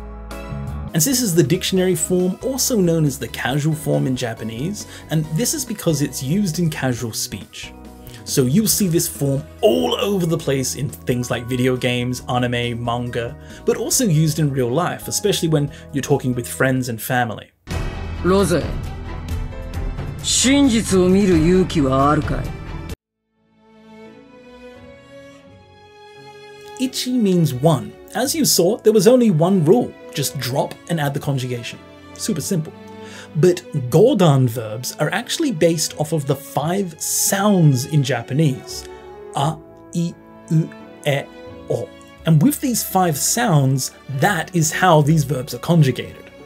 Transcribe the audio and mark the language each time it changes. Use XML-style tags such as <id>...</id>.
<en>And this is the dictionary form, also known as the casual form in Japanese, and this is because it's used in casual speech. So you'll see this form all over the place in things like video games, anime, manga, but also used in real life, especially when you're talking with friends and family. Rose.</en> <ja>真実を見る勇気はあるかい?</ja> <en>Ichi means one. As you saw, there was only one rule. Just drop and add the conjugation. Super simple. But godan verbs are actually based off of the five sounds in Japanese. A, I, U, E, O. And with these five sounds, that is how these verbs are conjugated.</en>